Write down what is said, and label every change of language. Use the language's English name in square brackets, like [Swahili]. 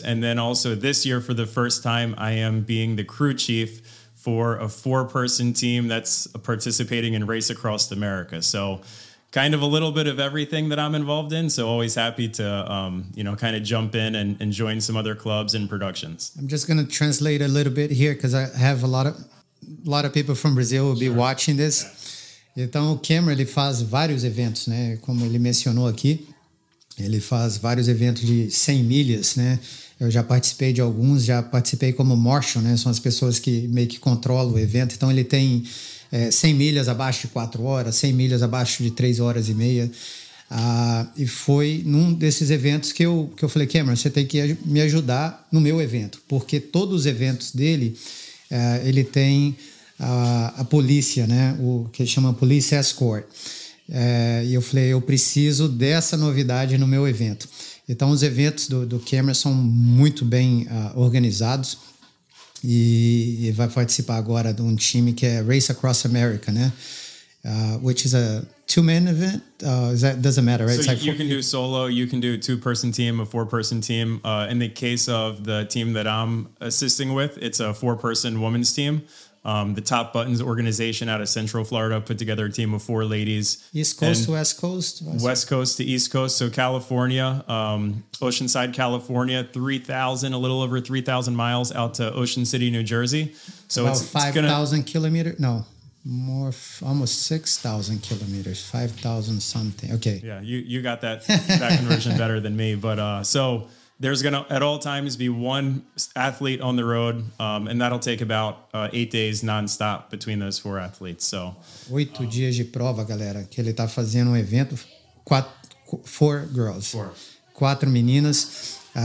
[English] And then also this year, for the first time, I am being the crew chief for a four-person team that's participating in Race Across America. So kind of a little bit of everything that I'm involved in. So always happy to, kind of jump in and join some other clubs and productions. I'm just going to translate a little bit here because I have a lot of people from Brazil will be watching this. [Portuguese] Então, o Cameron, ele faz vários eventos, né? Como ele mencionou aqui, ele faz vários eventos de 100 milhas, né? Eu já participei de alguns, já participei como marshal, né? São as pessoas que meio que controlam o evento. Então, ele tem 100 milhas abaixo de 4 horas, 100 milhas abaixo de 3 horas e meia. E foi num desses eventos que eu falei, Cameron, você tem que me ajudar no meu evento, porque todos os eventos dele... ele tem a polícia, né? O que chama polícia escort. E eu falei, eu preciso dessa novidade no meu evento. Então, os eventos do Cameron são muito bem organizados e vai participar agora de um time que é Race Across America, né? [English] Which is a two-man event. Doesn't matter, right? So like you can do solo, you can do a two-person team, a four-person team. In the case of the team that I'm assisting with, it's a four-person women's team. The Top Buttons organization out of Central Florida put together a team of four ladies. East Coast to West Coast? West Coast to East Coast. So California, Oceanside, California, a little over 3,000 miles out to Ocean City, New Jersey. So about 5,000 kilometers? No. More, almost 6,000 kilometers, 5,000 something. Okay. Yeah, you got that conversion better than me. But so there's going to at all times be one athlete on the road, and that'll take about 8 days nonstop between those four athletes. So [Portuguese] 8 dias de prova, galera, que ele tá fazendo um evento, quatro meninas.